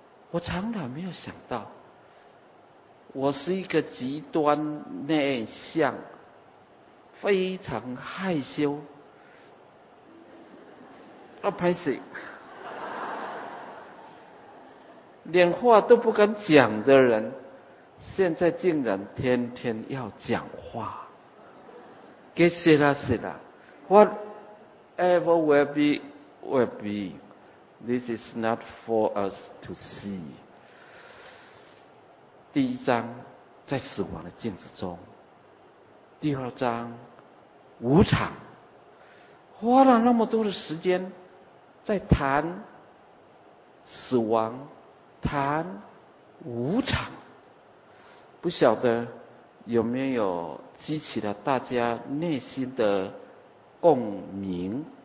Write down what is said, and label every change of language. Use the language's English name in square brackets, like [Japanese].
[Chinese] 我从来没有想到我是一个极端内向、非常害羞啊，拍死连话都不敢讲的人，现在竟然天天要讲话。给谢啦谢啦， [English] whatever will be will be, this is not for us to see。 [Chinese] 第一章在死亡的镜子中，第二章无常，花了那么多的时间在谈死亡，谈无常，不晓得有没有激起了大家内心的共鸣。